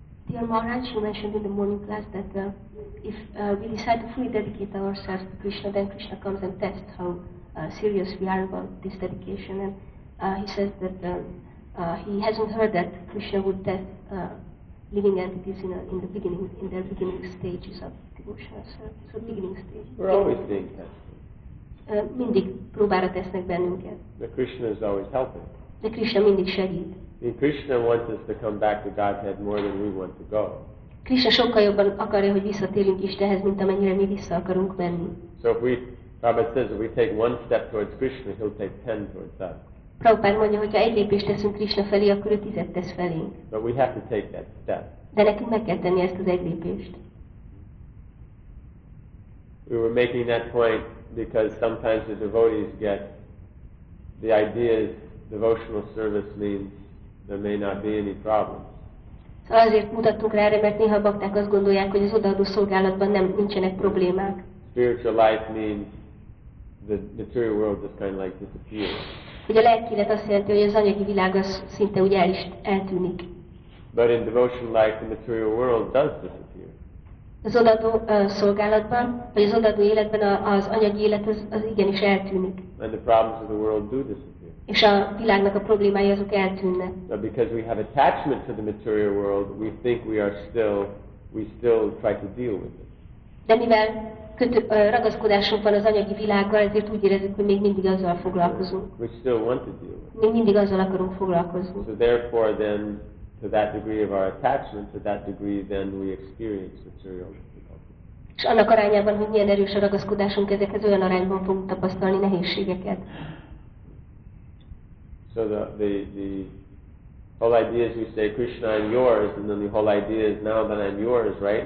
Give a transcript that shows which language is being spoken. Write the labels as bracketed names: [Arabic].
[English] Dear Maharaj, you mentioned in the morning class that if we decide to fully dedicate ourselves to Krishna, then Krishna comes and tests how serious we are about this dedication. And he says that he hasn't heard that Krishna would test living entities in the beginning, in their beginning stages of devotional service, so beginning stage. We're always being tested. [Hungarian] Mindig próbára tesznek bennünket. [English] The Krishna is always helping. [Hungarian] De Krishna mindig segít. [English] And Krishna wants us to come back to Godhead more than we want to go. [Hungarian] Krishna sokkal jobban akarja, hogy visszatérjünk Istenhez, mint amennyire mi vissza akarunk menni. [English] So if we, Prabhupada says, if we take one step towards Krishna, he'll take 10 towards us. [Hungarian] Prabhupada mondja, hogy ha egy lépést teszünk Krishna felé, akkor ő 10-et tesz felénk. [English] But we have to take that step. [Hungarian] De nekünk meg kell tenni ezt az egy lépést. [English] We were making that point because sometimes the devotees get the ideas devotional service means there may not be any problems. [Hungarian] So azért mutattunk rá erre, mert néha bakták azt gondolják, hogy az odaadó szolgálatban nem nincsenek problémák. [English] Spiritual life means the material world is kind of like disappears. [Hungarian] Ugye a lelki élet azt jelenti, hogy az anyagi világ az szinte úgy el is eltűnik. [English] But in devotional life, the material world does disappear. [Hungarian] Az odaadó szolgálatban, vagy az odaadó életben az anyagi élet az igenis eltűnik. [English] And the problems of the world do disappear. [Hungarian] És a világnak a problémái azok eltűnnek. [English] But because we have attachment to the material world, we think we are still, we still try to deal with it. [Hungarian] De mivel ragaszkodásunk van az anyagi világgal, ezért úgy érezzük, hogy még mindig azzal foglalkozunk. [English] We still want to deal with it. [Hungarian] Még mindig azzal akarunk foglalkozni. [English] So therefore then, to that degree of our attachment, to that degree then we experience material difficulties. [Hungarian] És annak arányában, hogy milyen erős a ragaszkodásunk, ezekhez olyan arányban fogunk tapasztalni nehézségeket. [English] So the whole idea is we say, Krishna, I'm yours, and then the whole idea is now that I'm yours, right?